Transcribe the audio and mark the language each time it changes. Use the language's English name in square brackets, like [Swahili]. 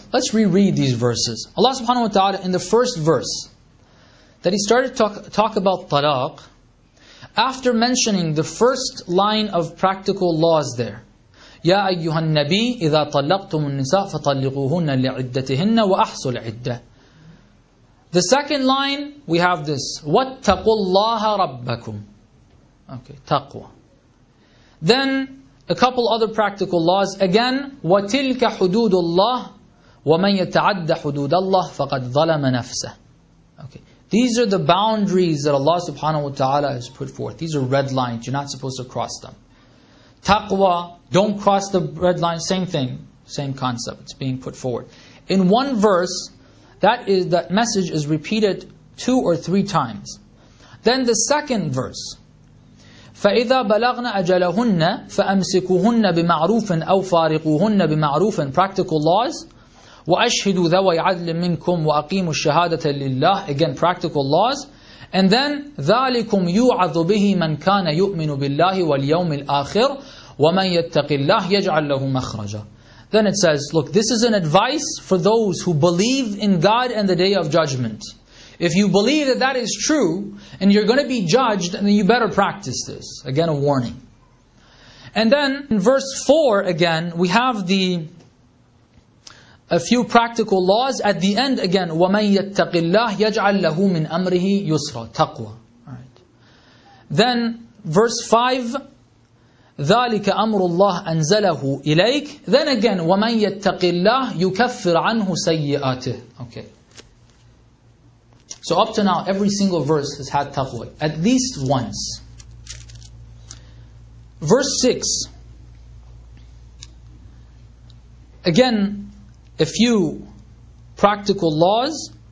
[English] Let's reread these verses. Allah subhanahu wa ta'ala, in the first verse, that He started to talk about talaq, after mentioning the first line of practical laws there, [Arabic] يَا أَيُّهَا النَّبِيِّ إِذَا طَلَّقْتُمُ النِّسَاءَ فَطَلِّقُوهُنَّ لِعِدَّتِهِنَّ وَأَحْصُوا الْعِدَّةِ. [English] The second line, we have this, [Arabic] وَاتَّقُوا اللَّهَ رَبَّكُمْ. [English] Okay, taqwa. Then, a couple other practical laws, again, [Arabic] وَتِلْكَ حُدُودُ اللَّهِ وَمَنْ يَتَعَدَّ حُدُودَ اللَّهِ فَقَدْ ظَلَمَ نَفْسَهُ. [English] Okay, these are the boundaries that Allah subhanahu wa ta'ala has put forth. These are red lines, you're not supposed to cross them. Taqwa, don't cross the red line, same thing, same concept, it's being put forward. In one verse, that message is repeated two or three times. Then the second verse, [Arabic] فَإِذَا بَلَغْنَ أَجَلَهُنَّ فَأَمْسِكُهُنَّ بِمَعْرُوفٍ أَوْ فَارِقُهُنَّ بِمَعْرُوفٍ. [English] Practical laws, [Arabic] وَأَشْهِدُوا ذَوَيْ عَدْلٍ مِّنْكُمْ وَأَقِيمُوا الشَّهَادَةَ لِلَّهِ. [English] Again, practical laws. And then, [Arabic] ذَلِكُمْ يُعَظُ بِهِ مَنْ كَانَ يُؤْمِنُ بِاللَّهِ وَالْيَوْمِ الْآخِرِ وَمَنْ يَتَّقِ اللَّهِ يَجْعَلْ لَهُ مَخْرَجًا. [English] Then it says, look, this is an advice for those who believe in God and the Day of Judgment. If you believe that that is true, and you're going to be judged, then you better practice this. Again, a warning. And then, in verse 4 again, we have a few practical laws. At the end again, [Arabic] وَمَنْ يَتَّقِ اللَّهِ يَجْعَلْ لَهُ مِنْ أَمْرِهِ يُسْرًا تَقْوَى. [English] Then, verse 5, [Arabic] ذَلِكَ أَمْرُ اللَّهِ أَنْزَلَهُ إِلَيْكَ. [English] Then again, [Arabic] وَمَنْ يَتَّقِ اللَّهِ يُكَفِّرْ عَنْهُ سَيِّئَاتِهِ. [English] Okay. So up to now, every single verse has had taqwa, at least once. Verse 6. Again, a few practical laws.